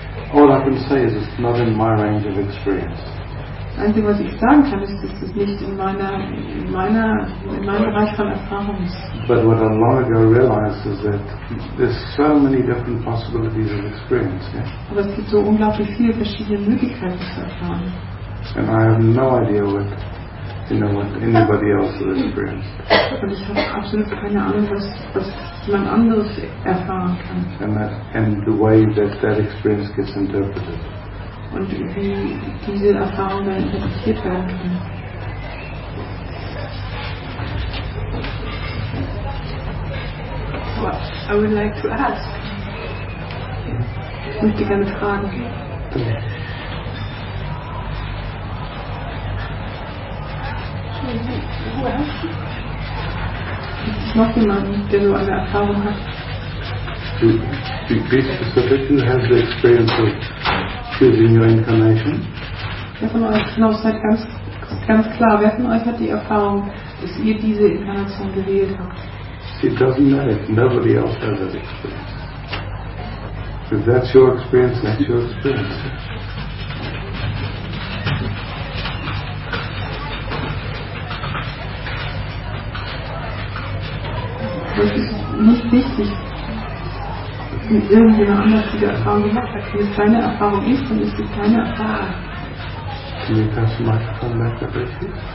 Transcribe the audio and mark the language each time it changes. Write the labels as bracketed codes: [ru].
[en] All I can say is it's not in my range of experience. [de] Das Einzige, was ich sagen kann, ist, dass es nicht in meinem Bereich von Erfahrung ist. [en] But what I long ago realized is that there's so many different possibilities of experience. Yeah? [de] Aber es gibt so unglaublich viele verschiedene Möglichkeiten zu erfahren. [en] And I have no idea what, you know, what anybody else has experienced. [de] Und ich habe absolut keine Ahnung, was jemand anderes erfahren kann. [en] And the way that experience gets interpreted. [de] Und wie diese Erfahrung dann interpretiert werden kann. [en] Well, I would like to ask. [de] Ich möchte gerne fragen. Gibt es noch jemanden, der so eine Erfahrung hat? [en] To be specific, who has the experience of choosing your incarnation? [de] Wer von euch, genau, seid ganz klar, wer von euch hat die Erfahrung, dass ihr diese Inkarnation gewählt habt? [en] It doesn't matter, nobody else has that experience. If that's your experience, that's your experience. [de] Das ist nicht wichtig. Wenn irgendjemand anders diese Erfahrung gemacht hat, wenn es keine Erfahrung ist, dann ist es keine Erfahrung. [en] Can you pass the microphone back up, please?